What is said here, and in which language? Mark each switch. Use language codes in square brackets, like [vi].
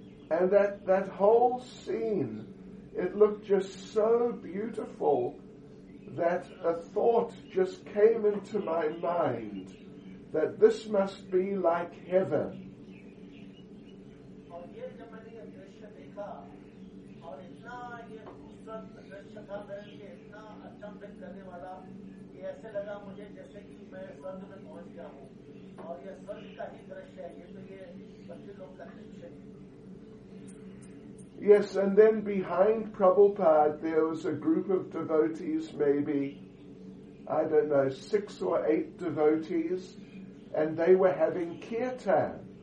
[en] And that whole scene, it looked just so beautiful that a thought just came into my mind that this must be like heaven. [hi] दृश्य देखा और इतना ये खूबसूरत दृश्य था मेरे लिए, इतना अचंभित करने वाला कि ऐसे लगा मुझे जैसे कि मैं स्वर्ग में पहुंच गया हूँ और ये स्वर्ग का ही दृश्य है। ये तो ये बच्चे लोग का दृश्य है। [en] Yes, and then behind Prabhupada there was a group of devotees, maybe, I don't know, 6 or 8 devotees, and they were having kirtan.